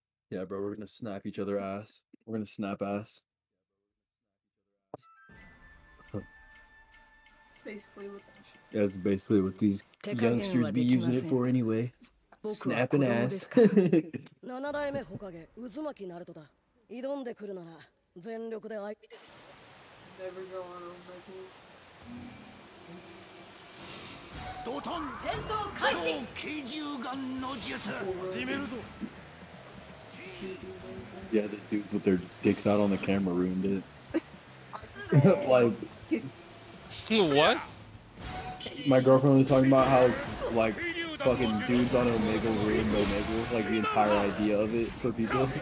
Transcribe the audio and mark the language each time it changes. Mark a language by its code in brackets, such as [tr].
[en] Yeah, bro, we're going to snap each other ass. We're going to snap ass. Basically what that should be. Yeah, basically what these youngsters be using it for anyway. Snapping ass. [ja] 7 代目ホカゲ、渦巻きナルトだ。挑んでくるなら全力で相手です。ドトン戦闘開始。怪獣ガンの術始めるぞ。 [en] Yeah, the dudes with their dicks out on the camera ruined it. Like, what? My girlfriend was talking about how, like, fucking dudes on Omega ruined Omega, like, the entire idea of it for people.